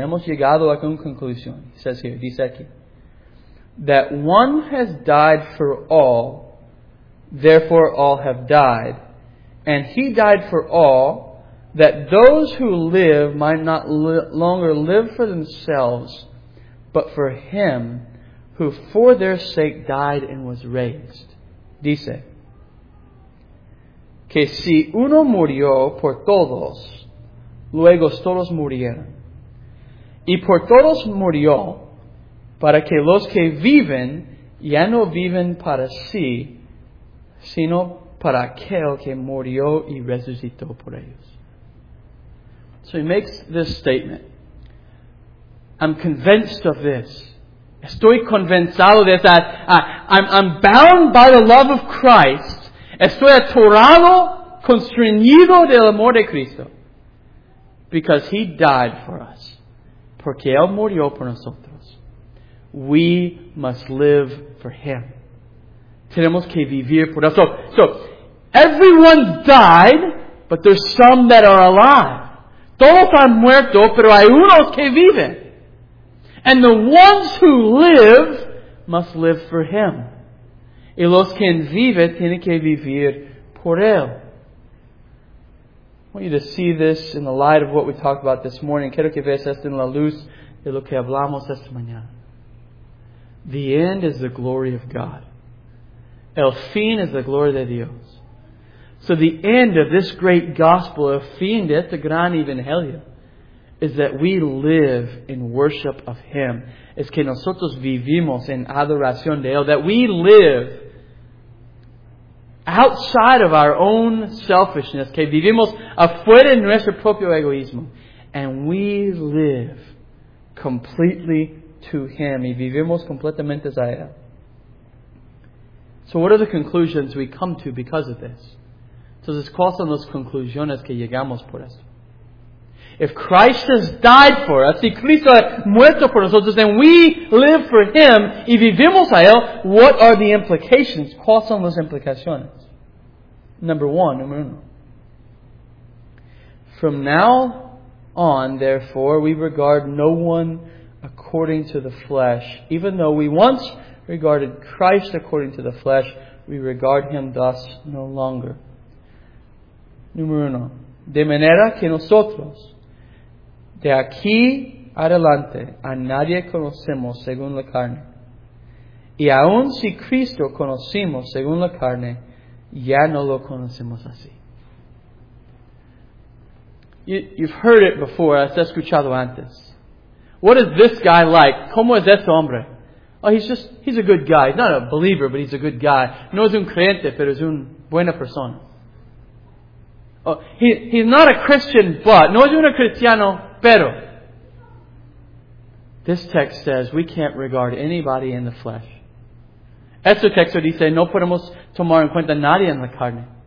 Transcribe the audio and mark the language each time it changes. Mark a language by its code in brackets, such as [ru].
[es] Hemos llegado a una conclusión. [en] It says here, [es] dice aquí, [en] that one has died for all, therefore all have died. And he died for all, that those who live might not longer live for themselves, but for him who for their sake died and was raised. [es] dice que si uno murió por todos, luego todos murieron. Y por todos murió para que los que viven ya no viven para sí, sino para aquel que murió y resucitó por ellos. [en] So he makes this statement. I'm convinced of this. [es] Estoy convencido de [en] that. I'm bound by the love of Christ. [es] Estoy atorado, constreñido del amor de Cristo. [en] Because He died for us. [es] Porque Él murió por nosotros. [en] We must live for Him. [es] Tenemos que vivir por Él. [en] So everyone died, but there's some that are alive. [es] Todos han muerto, pero hay unos que viven. [en] And the ones who live must live for Him. [es] Y los que viven tienen que vivir por Él. [en] I want you to see this in the light of what we talked about this morning. [es] Quiero que veas esto en la luz de lo que hablamos esta mañana. [en] The end is the glory of God. [es] El fin es la gloria de Dios. [en] So the end of this great gospel, [es] el fin de este gran evangelio, [en] is that we live in worship of Him. [es] Es que nosotros vivimos en adoración de Él. [en] That we live outside of our own selfishness. [es] Que vivimos afuera de nuestro propio egoísmo. [en] And we live completely to Him. [es] Y vivimos completamente a Él. [en] So what are the conclusions we come to because of this? [es] Entonces, ¿cuáles son las conclusiones que llegamos por esto? [en] If Christ has died for us, [es] si Cristo ha muerto por nosotros, [en] then we live for Him, [es] y vivimos a Él, [en] what are the implications? [es] ¿Cuáles son las implicaciones? [en] Number 1. From now on, therefore, we regard no one according to the flesh. Even though we once regarded Christ according to the flesh, we regard Him thus no longer. [es] Número 1. De manera que nosotros, de aquí adelante, a nadie conocemos según la carne. Y aun si Cristo conocimos según la carne, ya no lo conocemos así. [en] You've heard it before. [es] Has escuchado antes. [en] What is this guy like? [es] ¿Cómo es este hombre? [en] Oh, he's a good guy. He's not a believer, but he's a good guy. [es] No es un creyente, pero es una buena persona. [en] Oh, he's not a Christian, but [es] no es un cristiano. [en] Pero, this text says we can't regard anybody in the flesh. [es] Este texto dice, no podemos tomar en cuenta nadie en la carne.